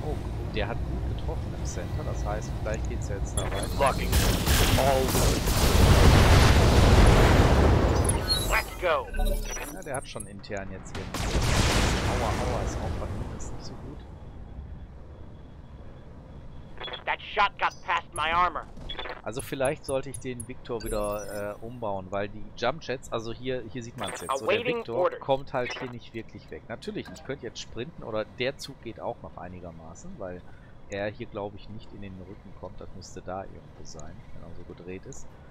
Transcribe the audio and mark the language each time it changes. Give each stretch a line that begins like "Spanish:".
German: Oh, der hat gut getroffen im Center. Das heißt, vielleicht geht es ja jetzt da rein.
English: Locking. All let's go!
German: Ja, der hat schon intern jetzt hier. Aua, aua, ist auch bei mir, ist nicht so gut.
English: That shot got past my armor.
German: Also vielleicht sollte ich den Victor wieder umbauen, weil die Jump Jets, also hier sieht man es jetzt, so der Victor kommt halt hier nicht wirklich weg. Natürlich, ich könnte jetzt sprinten oder der Zug geht auch noch einigermaßen, weil er hier glaube ich nicht in den Rücken kommt, das müsste da irgendwo sein, wenn er so gedreht ist.